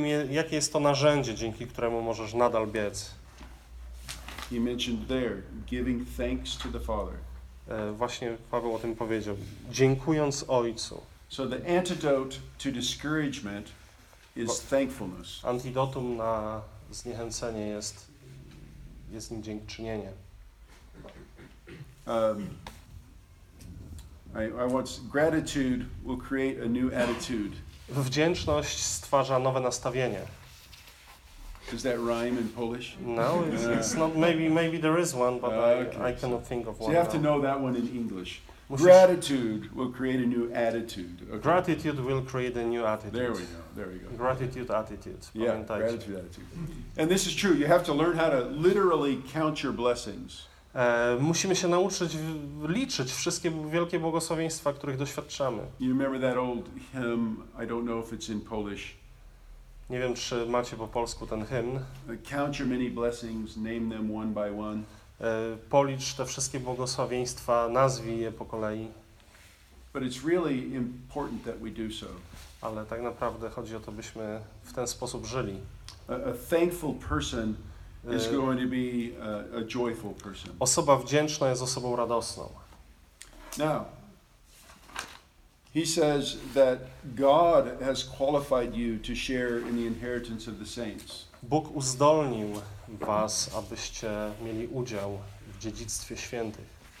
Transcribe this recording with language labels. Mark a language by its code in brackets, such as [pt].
[pl] Jakie jest to narzędzie, dzięki któremu możesz nadal biec? [en] He mentioned there giving thanks to the Father. [pl] Właśnie Paweł o tym powiedział, dziękując Ojcu. [en] So the antidote to discouragement is thankfulness. [pl] Antidotum na zniechęcenie jest nim dziękczynienie. [en] I want gratitude will create a new attitude. [pl] Wdzięczność stwarza nowe nastawienie. [en] Does that rhyme in Polish? No, it's not. Maybe there is one, but I cannot think of one. So you have now. To know that one in English. Gratitude will create a new attitude. Okay. Gratitude will create a new attitude. There we go. Gratitude attitude. Yeah, [pl] pamiętajcie. [en] Gratitude attitude. And this is true. You have to learn how to literally count your blessings. [pl] Musimy się nauczyć liczyć wszystkie wielkie błogosławieństwa, których doświadczamy. [en] You remember that old hymn? I don't know if it's in Polish. [pl] Nie wiem, czy macie po polsku ten hymn. [en] Count your many blessings, name them one by one. [pl] Policz te wszystkie błogosławieństwa, nazwij je po kolei. [en] But it's really important that we do so. [pl] Ale tak naprawdę chodzi o to, byśmy w ten sposób żyli. [en] A thankful person is going to be a joyful person. [pl] Osoba wdzięczna jest osobą radosną. [en] Now, he says that God has qualified you to share in the inheritance of the saints. [pl] Bóg uzdolnił was, abyście mieli udział w dziedzictwie świętych.